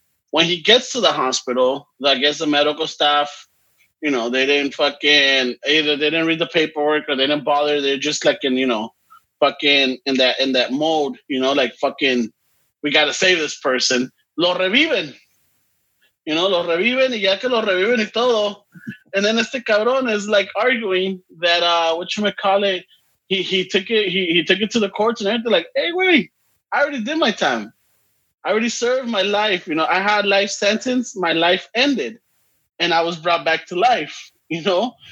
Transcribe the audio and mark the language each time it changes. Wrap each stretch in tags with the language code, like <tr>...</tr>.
<en>When he gets to the hospital, I guess the medical staff, you know, they didn't fucking, either they didn't read the paperwork or they didn't bother. They're just like in, you know, fucking in that mode, you know, like fucking, we got to save this person.</en> <es>Lo reviven.</es> <en>You know,</en> <es>lo reviven y ya que lo reviven y todo.</es> <en>And then</en> <es>este cabrón</es> <en>is like arguing that, whatchamacallit, he took it to the courts and everything, like, hey, wait, I already did my time. I already served my life, you know. I had life sentence, my life ended, and I was brought back to life, you know.</en>